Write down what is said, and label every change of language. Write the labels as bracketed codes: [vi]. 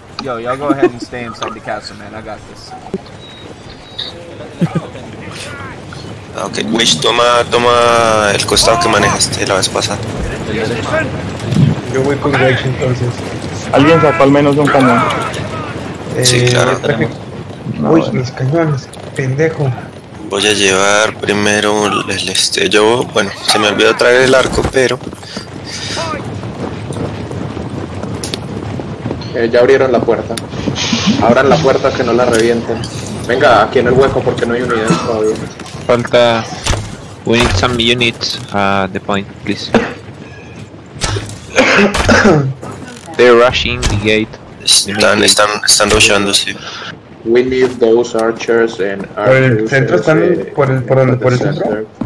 [en] Yo, y'all go ahead and stay inside the castle, man. I got this. [es] Okay, Wish, toma el costado que manejaste la vez pasada. Yo voy con Greg, entonces. Alguien sacó al menos un cañón. Sí, claro. No, uy, mis cañones, pendejo. Voy a llevar primero el yo, bueno, se me olvidó traer el arco, pero... Ya abrieron la puerta. Abran la puerta que no la revienten. Venga, aquí en el hueco porque no hay unidad todavía. Falta... [en] We need some units at the point, please. They're rushing the gate. [es] Están rushando, sí. [en] We need those archers and archers. [es] ¿Por el centro están? ¿Por el centro?